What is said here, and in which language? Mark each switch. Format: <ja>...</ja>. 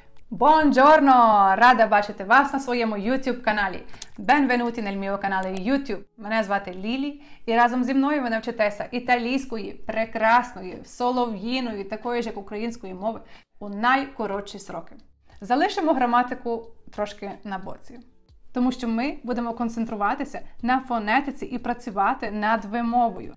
<it>Buongiorno,</it> <uk>рада бачити вас на своєму YouTube каналі.</uk> <it>Benvenuti nel mio canale YouTube.</it> <uk>Мене звати Лілі, і разом зі мною ви навчитеся італійської прекрасної солов'їної, такої ж як української мови, у найкоротші сроки. Залишимо граматику трошки на боці, тому що ми будемо концентруватися на фонетиці і працювати над вимовою.</uk>